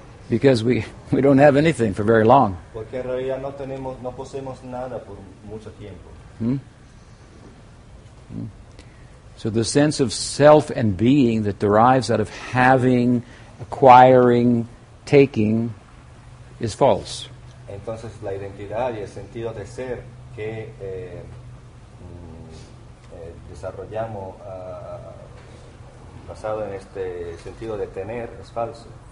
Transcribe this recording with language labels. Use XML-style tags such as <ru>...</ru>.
<en>Because we don't have anything for very long.</en> <es>Porque en realidad no tenemos, no poseemos nada por mucho tiempo. So the sense of self and being that derives out of having, acquiring, taking, is false. Entonces la identidad y el sentido de ser que desarrollamos basado en este sentido de tener es falso.</es>